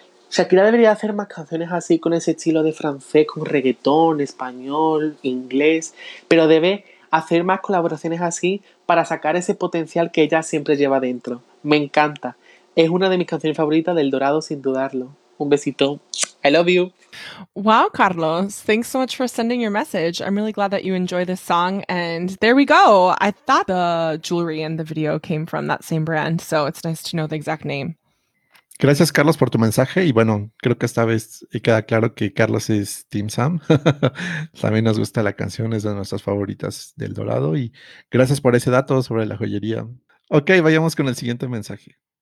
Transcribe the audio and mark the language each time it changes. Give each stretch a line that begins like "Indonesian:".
Spanish: Shakira debería hacer más canciones así, con ese estilo de francés, con reggaetón, español, inglés, pero debe hacer más colaboraciones así para sacar ese potencial que ella siempre lleva dentro. Me encanta. Es una de mis canciones favoritas del Dorado, sin dudarlo. Un besito.
English: I love you. Wow, Carlos. Thanks so much for sending your message. I'm really glad that you enjoy this song. And there we go. I thought the jewelry in the video came from that same brand, so it's nice to know the exact name.
Spanish: Gracias, Carlos, por tu mensaje. Y bueno, creo que esta vez queda claro que Carlos es Team Sam. También nos gusta la canción, es de nuestras favoritas del Dorado. Y gracias por ese dato sobre la joyería. Ok, vayamos con el siguiente mensaje.